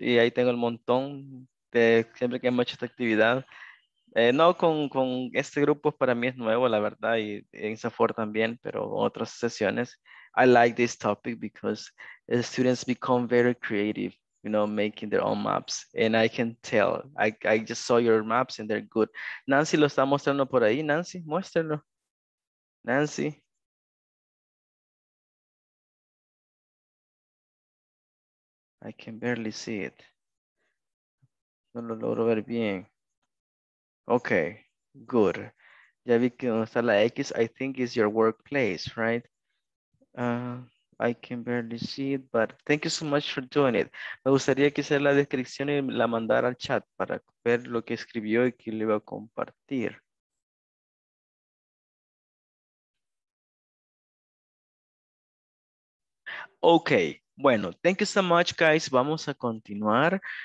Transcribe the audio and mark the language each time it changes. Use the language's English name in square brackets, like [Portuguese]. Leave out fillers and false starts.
[Spanish] Y ahí tengo el montón de siempre que hemos hecho esta actividad. No, con este grupo para mí es nuevo, la verdad, y INSAFOR también, pero otras sesiones. [English] I like this topic because the students become very creative, you know, making their own maps. And I can tell, I just saw your maps and they're good. [Spanish] Nancy lo está mostrando por ahí. Nancy, muéstralo. Nancy. [English] I can barely see it. [Spanish] No lo logro ver bien. [English] Okay, good. [Spanish] Ya vi que está la X, [English] I think is your workplace, right? I can barely see it, but thank you so much for doing it. [Spanish] Me gustaría que hiciera la descripción y la mandara al chat para ver lo que escribió y que le iba a compartir. [English] Oh, Ok, bueno, thank you so much, guys. [Spanish] Vamos a continuar.